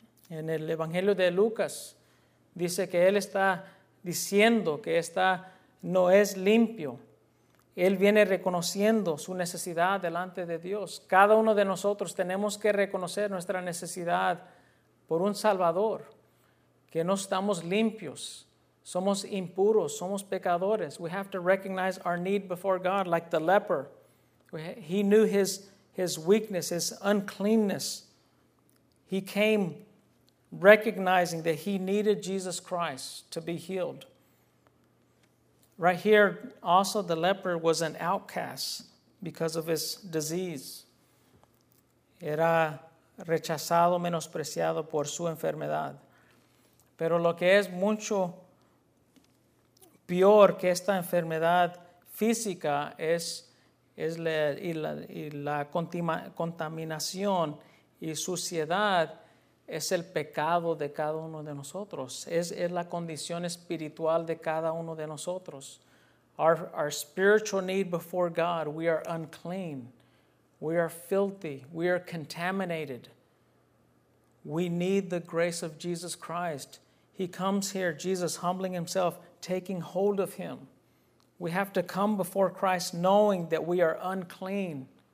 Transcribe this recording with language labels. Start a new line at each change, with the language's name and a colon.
Spanish: En el Evangelio de Lucas dice que él está diciendo que está, no es limpio. Él viene reconociendo su necesidad delante de Dios. Cada uno de nosotros tenemos que reconocer nuestra necesidad por un Salvador, que no estamos limpios, somos impuros, somos pecadores.
English: We have to recognize our need before God, like the leper. He knew his weakness, his uncleanness. He came recognizing that he needed Jesus Christ to be healed. Right here, also the leper was an outcast because of his disease.
Spanish: Era rechazado, menospreciado por su enfermedad. Pero lo que es mucho peor que esta enfermedad física es la contaminación y suciedad es el pecado de cada uno de nosotros. Es la condición espiritual de cada uno de nosotros.
English: Our spiritual need before God, we are unclean. We are filthy. We are contaminated. We need the grace of Jesus Christ. He comes here, Jesus humbling himself, taking hold of him. We have to come before Christ knowing that we are unclean.